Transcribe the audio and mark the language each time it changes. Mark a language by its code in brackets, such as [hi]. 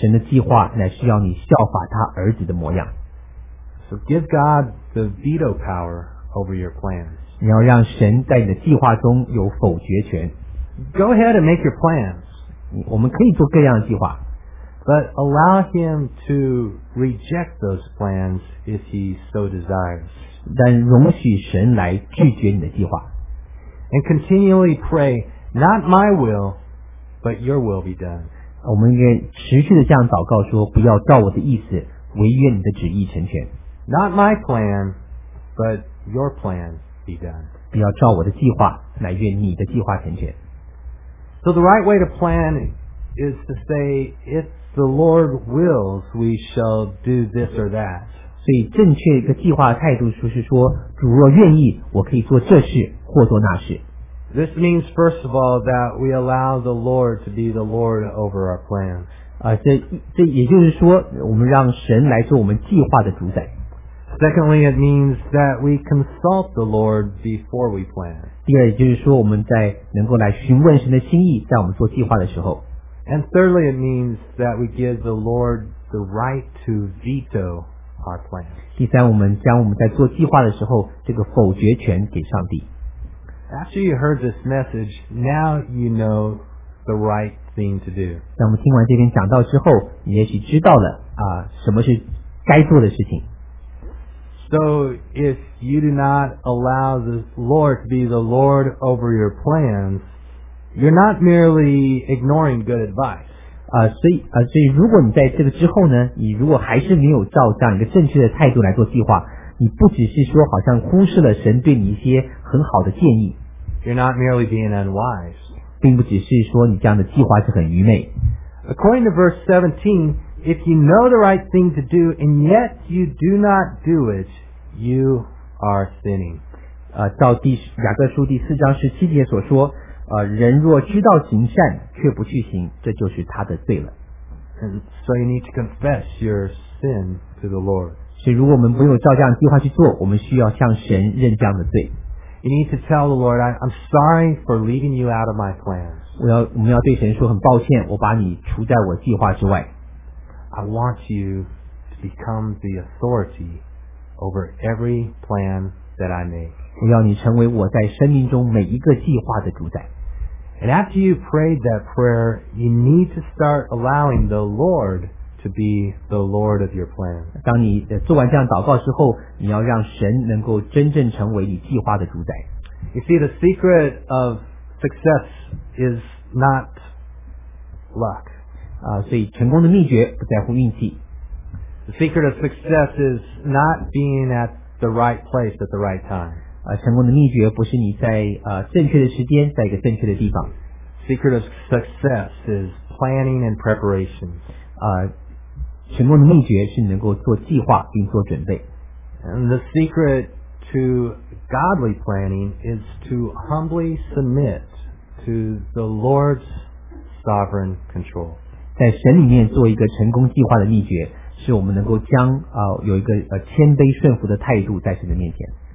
[zh] 神的计划乃是要你效法他儿子的模样。 [en] So give God the veto power over your plans. [zh] 你要让神在你的计划中有否决权。 [en] Go ahead and make your plans. [zh] 我们可以做各样的计划。 [en] But allow him to reject those plans if he so desires. [zh] 但容许神来拒绝你的计划。 [en] And continually pray, not my will, but your will be done. [zh] 我们应该持续地这样祷告说，不要照我的意思，唯愿你的旨意成全。 [en] Not my plan, but your plan be done. [zh] 不要照我的计划，乃愿你的计划成全。 [en] So the right way to plan is to say, it's the Lord wills we shall do this or that. [zh] 所以正确一个计划态度就是说，主若愿意，我可以做这事或做那事。 [en] This means first of all that we allow the Lord to be the Lord over our plans. [zh] 这也就是说，我们让神来做我们计划的主宰。 [en] Secondly, it means that we consult the Lord before we plan. [zh] 第二，也就是说，我们在能够来询问神的心意，在我们做计划的时候。 [en] And thirdly, it means that we give the Lord the right to veto our plan. [zh] 第三，我们将我们在做计划的时候这个否决权给上帝。 [en] After you heard this message, now you know the right thing to do. [zh] 当我们听完这篇讲道之后，你也许知道了什么是该做的事情。 [en] So if you do not allow the Lord to be the Lord over your plans,You're not merely ignoring good advice. [zh] 所以如果你在这个之后呢，你如果还是没有照这样一个正确的态度来做计划，你不只是说好像忽视了神对你一些很好的建议。 [en] You're not merely being unwise. [zh] 并不只是说你这样的计划是很愚昧。 [en] According to verse 17, if you know the right thing to do and yet you do not do it, you are sinning. [zh] 照雅各书第四章十七节所说。人若知道行善却不去行，这就是他的罪了。 [en] And so you need to confess your sin to the Lord. [zh] 所以如果我们没有照这样计划去做，我们需要向神认这样的罪。 [en] You need to tell the Lord, I'm sorry for leaving you out of my plans. [zh] 我们要对神说，很抱歉，我把你除在我计划之外。 [en] I want you to become the authority over every plan that I make. [zh] 我要你成为我在生命中每一个计划的主宰。 [en] And after you prayed that prayer, you need to start allowing the Lord to be the Lord of your plan. [zh] 当你做完这样祷告之后，你要让神能够真正成为你计划的主宰。 [en] You see, the secret of success is not luck. [zh] 所以成功的秘诀不在乎运气。 [en] The secret of success is not being at the right place at the right time. [zh] 成功的秘诀不是你在正确的时间在一个正确的地方。 [en] Secret of success is planning and preparation. [zh] 成功的秘诀是能够做计划并做准备。 [en] And the secret to godly planning is to humbly submit to the Lord's sovereign control. [zh] 在神里面做一个成功计划的秘诀是我们能够将有一个谦卑顺服的态度在神的面前。